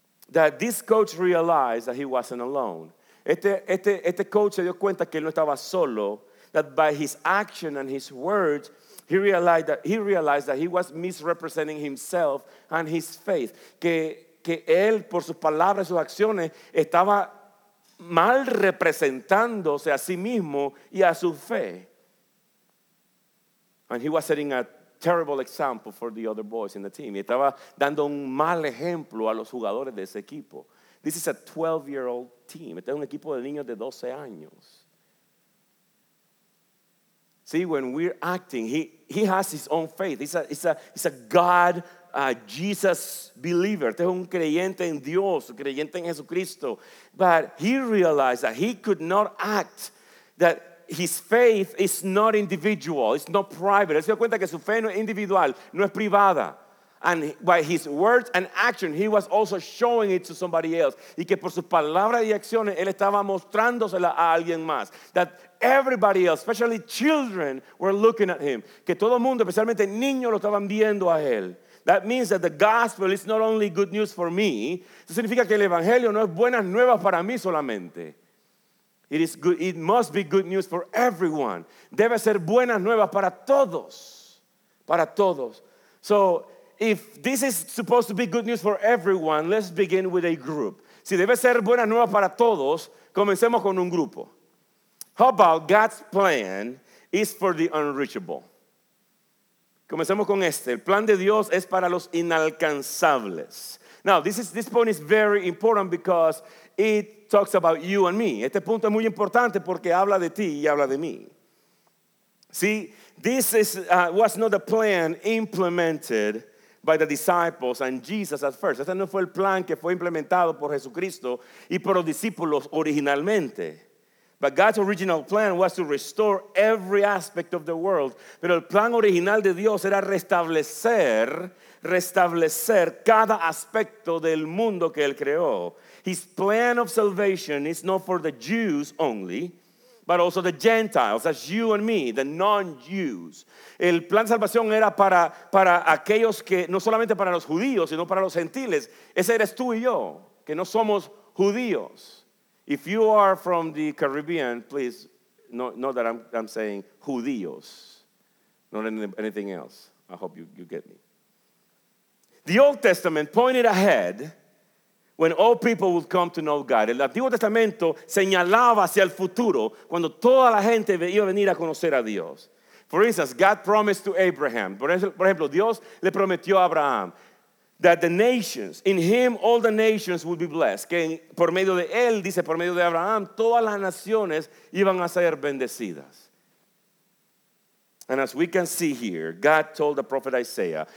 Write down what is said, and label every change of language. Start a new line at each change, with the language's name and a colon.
English: That this coach realized that he wasn't alone.
Spanish: Este coach se dio cuenta que él no estaba solo,
English: that by his action and his words, he realized that he was misrepresenting himself and his faith.
Spanish: Que él, por sus palabras y sus acciones, estaba mal representándose a sí mismo y a su fe.
English: And he was setting a terrible example for the other boys in the team.
Spanish: Y estaba dando un mal ejemplo a los jugadores de ese equipo.
English: This is a 12-year-old team.
Spanish: Este es un equipo de niños de 12 años.
English: See, when we're acting, he has his own faith. He's a God, Jesus believer.
Spanish: Este es un creyente en Dios, un creyente en Jesucristo.
English: But he realized that he could not act, that his faith is not individual, it's not private.
Spanish: Él se dio cuenta que su fe no es individual, no es privada.
English: And by his words and action, he was also showing it to somebody else.
Spanish: Y que por sus palabras y acciones, él estaba mostrándosela a alguien más.
English: That everybody else, especially children, were looking at him.
Spanish: Que todo el mundo, especialmente niños, lo estaban viendo a él.
English: That means that the gospel is not only good news for me.
Spanish: Eso significa que el evangelio no es buenas nuevas para mí solamente.
English: It is good. It must be good news for everyone.
Spanish: Debe ser buenas nuevas para todos. Para todos.
English: So, if this is supposed to be good news for everyone, let's begin with a group.
Spanish: Si debe ser buena nueva para todos, comencemos con un grupo.
English: How about God's plan is for the unreachable?
Spanish: Comencemos con este. El plan de Dios es para los inalcanzables.
English: Now, this point is very important because it talks about you and me.
Spanish: Este punto es muy importante porque habla de ti y habla de mí.
English: See, this is was not a plan implemented by the disciples and Jesus at first.
Spanish: Este no fue el plan que fue implementado por Jesucristo y por los discípulos originalmente.
English: But God's original plan was to restore every aspect of the world.
Spanish: Pero el plan original de Dios era restablecer cada aspecto del mundo que él creó.
English: His plan of salvation is not for the Jews only, but also the Gentiles, as you and me, the non-Jews.
Spanish: El plan de salvación era para aquellos que, no solamente para los judíos, sino para los gentiles. Ese eres tú y yo, que no somos judíos.
English: If you are from the Caribbean, please know that I'm saying judíos, not anything else. I hope you get me. The Old Testament pointed ahead when all people would come to know God.
Spanish: El Antiguo Testamento señalaba hacia el futuro cuando toda la gente iba a venir a conocer a Dios.
English: For instance, God promised to Abraham.
Spanish: Por ejemplo, Dios le prometió a Abraham
English: that the nations, in him all the nations would be blessed.
Spanish: Que por medio de él, dice, por medio de Abraham, todas las naciones iban a ser bendecidas.
English: And as we can see here, God told the prophet Isaiah.